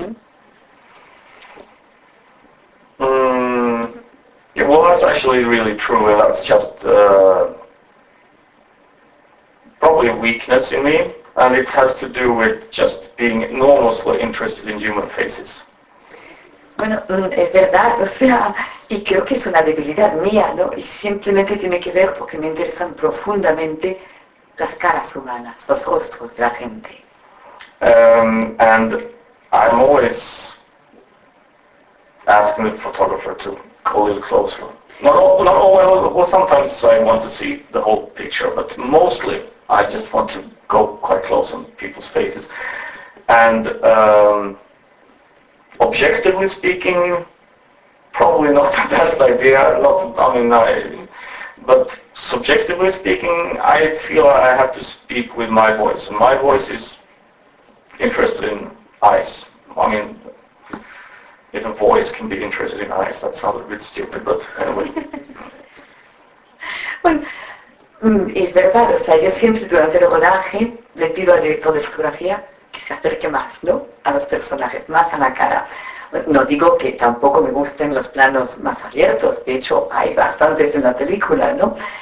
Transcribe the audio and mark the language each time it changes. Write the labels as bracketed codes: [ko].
[en] Mm-hmm. Mm-hmm. Yeah, well, that's actually really true. That's just probably a weakness in me, and it has to do with just being enormously interested in human faces. [es] Bueno, es verdad, o sea, y creo que es una debilidad mía, ¿no? Y simplemente tiene que ver porque me interesan profundamente las caras humanas, los rostros de la gente. [en] And I'm always asking the photographer to go a little closer. Sometimes I want to see the whole picture, but mostly I just want to go quite close on people's faces. And objectively speaking, probably not the best idea. But subjectively speaking, I feel I have to speak with my voice. And my voice is interested in eyes. If a voice can be interested in eyes, that sounds a bit stupid, but anyway. [es] Es verdad, o sea, yo siempre durante el rodaje le pido al director de fotografía que se acerque más, ¿no? A los personajes, más a la cara. No digo que tampoco me gusten los planos más abiertos, de hecho hay bastantes en la película, ¿no?